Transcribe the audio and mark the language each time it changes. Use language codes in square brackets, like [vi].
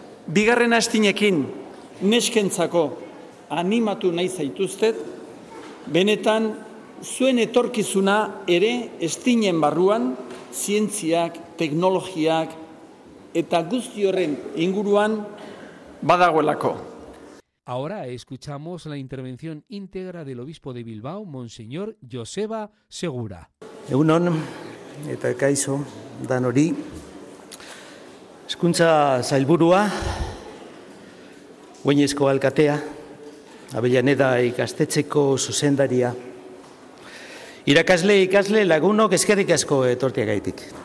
[eu] Bigarren astinekin neskentzako animatu nahi zaituztet, benetan zuen etorkizuna ere STEAMen barruan, zientziak, teknologiak eta guzti horren inguruan badagoelako. [es] Ahora escuchamos la intervención íntegra del obispo de Bilbao, Monseñor Joseba Segura. [eu] Egunon, eta kaixo dan hori. Hezkuntza sailburua, Oinezko alkatea, Abellaneda ikastetxeko zuzendaria, irakasle ikasle lagunok eskerrik asko etortiagaitik.